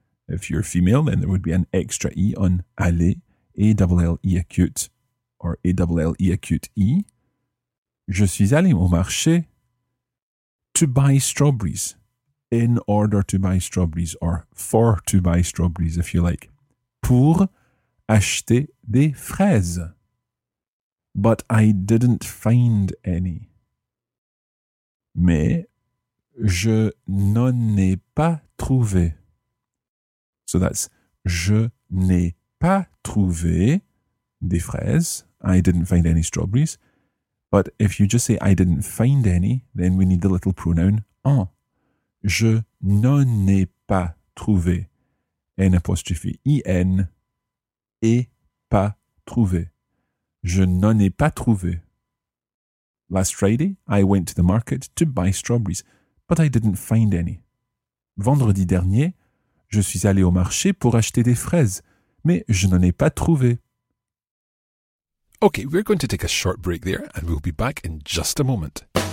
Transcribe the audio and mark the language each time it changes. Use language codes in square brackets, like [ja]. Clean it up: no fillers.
[en] If you're female, then there would be an extra E on aller, A-double-L-E acute, or A-double-L-E acute E. [fr] Je suis allé au marché [en] to buy strawberries, in order to buy strawberries, or for to buy strawberries, if you like. [fr] Pour acheter des fraises. [en] But I didn't find any. [fr] Mais je n'en ai pas trouvé. [en] So that's [fr] je n'ai pas trouvé des fraises. [en] I didn't find any strawberries. But if you just say I didn't find any, then we need the little pronoun en. [fr] Je n'en ai pas trouvé. N apostrophe I-N. Et pas trouvé. Je n'en ai pas trouvé. [en] Last Friday, I went to the market to buy strawberries, but I didn't find any. [fr] Vendredi dernier, je suis allé au marché pour acheter des fraises, mais je n'en ai pas trouvé. [en] Okay, we're going to take a short break there, and we'll be back in just a moment.